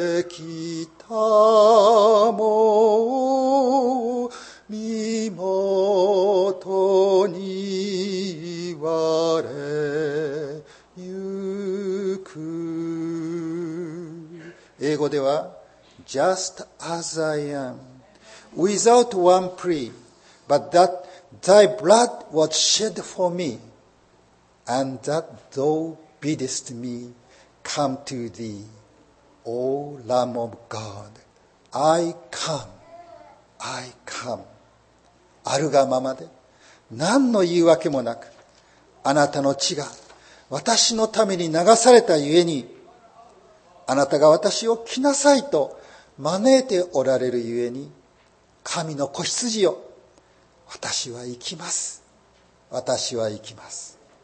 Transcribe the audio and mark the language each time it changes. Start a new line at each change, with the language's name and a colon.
Japanese: きたも身元に言われゆく。
English: 英語では Just as I am without one plea but that thy blood was shed for me and that thou biddest me come to thee O Lamb of God I come I come。
Japanese: あるがままで何の言い訳もなくあなたの血が私のために流されたゆえにあなたが私を来なさいと招いておられるゆえに神の子羊よ私は行きます、私は行きます。